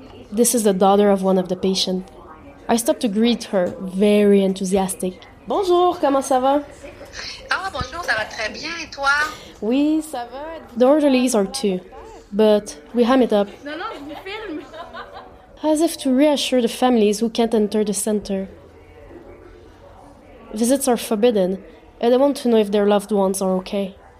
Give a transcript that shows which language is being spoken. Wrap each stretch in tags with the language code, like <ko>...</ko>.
<en>This is the daughter of one of the patients. I stop to greet her, very enthusiastic.</en> <fr>Bonjour, comment ça va? Ah, bonjour, ça va très bien, et toi? Oui, ça va.</fr> <en>The orderlies are two, but we ham it up.</en> <fr>Non, je vous filme.</fr> <en>As if to reassure the families who can't enter the center. Visits are forbidden, and I want to know if their loved ones are okay.</en>